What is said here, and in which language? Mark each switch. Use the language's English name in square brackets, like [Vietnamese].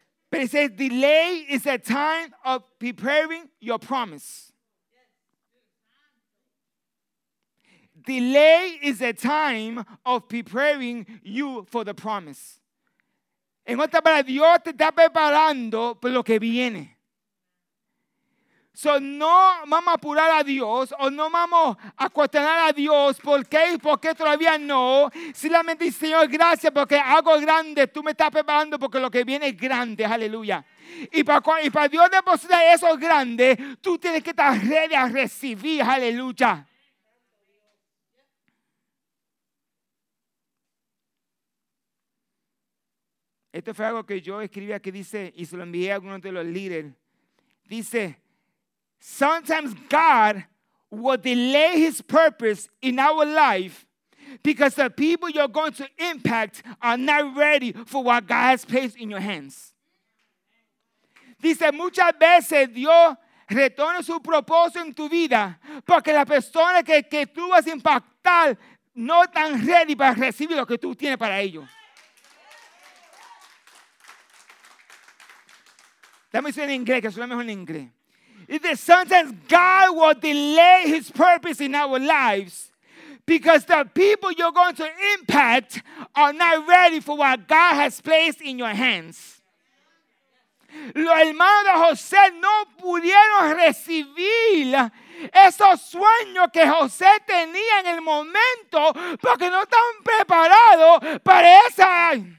[Spanish] Pero dice, [English] delay is a time of preparing your promise. Delay is a time of preparing you for the promise. [Spanish] En otras palabras, Dios te está preparando por lo que viene. So, no vamos a apurar a Dios o no vamos a cuestionar a Dios. ¿Por qué? ¿Por qué todavía no? Simplemente, Señor, gracias porque algo grande. Tú me estás preparando porque lo que viene es grande. Aleluya. Y para Dios depositar eso grande, tú tienes que estar ready a recibir. Aleluya. Esto fue algo que yo escribí aquí, dice, y se lo envié a algunos de los líderes. [English] Dice, sometimes God will delay His purpose in our life because the people you're going to impact are not ready for what God has placed in your hands. [Spanish] Dice, muchas veces Dios retorna su propósito en tu vida porque la persona que tú vas a impactar no están ready para recibir lo que tú tienes para ellos. Dame eso en inglés, que suena mejor en inglés. [English] is that sometimes God will delay his purpose in our lives because the people you're going to impact are not ready for what God has placed in your hands. [Spanish] Los hermanos de José no pudieron recibir esos sueños que José tenía en el momento porque no estaban preparados para esa.